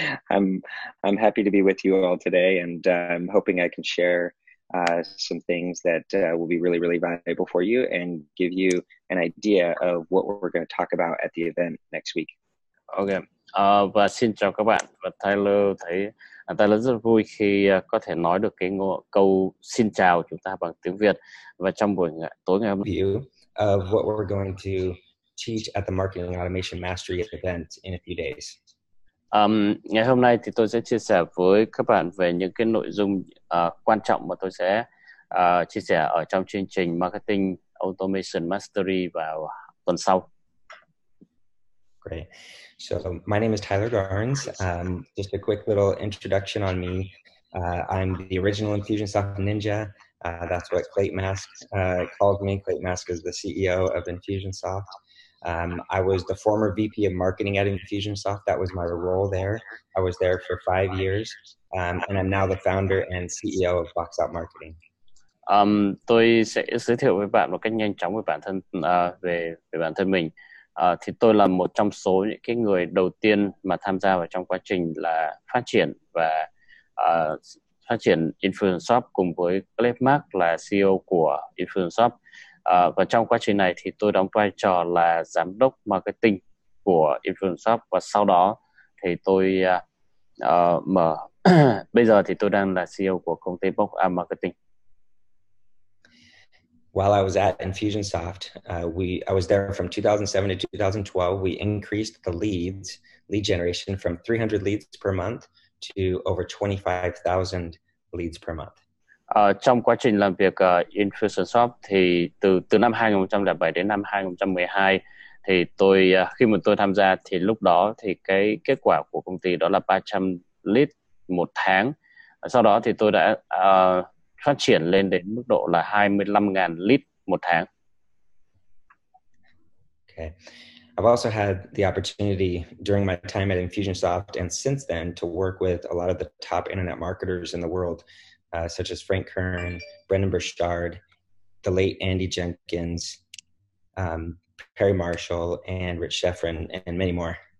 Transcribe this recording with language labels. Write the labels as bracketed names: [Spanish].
[English] I'm happy to be with you all today, and I'm hoping I can share some things that will be really, really valuable for you and give you an idea of what we're going to talk about at the event next week. [Vietnamese] Okay. Và xin chào các bạn. Và Tyler thấy Tyler rất vui khi có thể nói được cái câu xin chào chúng ta bằng tiếng Việt. Và trong buổi tối ngày hôm nay, [English] of what we're going to teach at the Marketing Automation Mastery event in a few days. [Vietnamese] Ngày hôm nay thì tôi sẽ chia sẻ với các bạn về những cái nội dung quan trọng mà tôi sẽ chia sẻ ở trong chương trình Marketing Automation Mastery vào tuần sau. [English] Great. So my name is Tyler Garns. Just a quick little introduction on me. I'm the original Infusionsoft Ninja. That's what Clayton Mask called me. Clayton Mask is the CEO of Infusionsoft. I was the former VP of marketing at Infusionsoft. That was my role there. I was there for 5 years. And I'm now the founder and CEO of Box Out Marketing. [Vietnamese] Tôi sẽ giới thiệu với bạn một cách nhanh chóng về bản thân về bản thân mình. Thì tôi là một trong số những cái người đầu tiên mà tham gia vào trong quá trình là phát triển và phát triển Infusionsoft cùng với Cliff Mark là CEO của Infusionsoft. Và trong quá trình này thì tôi đóng vai trò là giám đốc marketing của Infusionsoft và sau đó thì tôi mở bây giờ thì tôi đang là CEO của công ty Box Out Marketing. [English] While I was at Infusionsoft, I was there from 2007 to 2012. We increased the lead generation from 300 leads per month to over 25,000 leads per month. [Vietnamese] Trong quá trình làm việc Infusionsoft thì từ năm 2007 đến năm 2012 thì tôi khi mà tôi tham gia thì lúc đó thì cái kết quả của công ty đó là 300 lead một tháng. Sau đó thì tôi đã phát triển lên đến mức độ là 25.000 lít một tháng. [English] Okay. I've also had the opportunity during my time at Infusionsoft and since then to work with a lot of the top internet marketers in the world, such as Frank Kern, Brendan Burchard, the late Andy Jenkins, Perry Marshall, and Rich Sheffrin, and many more.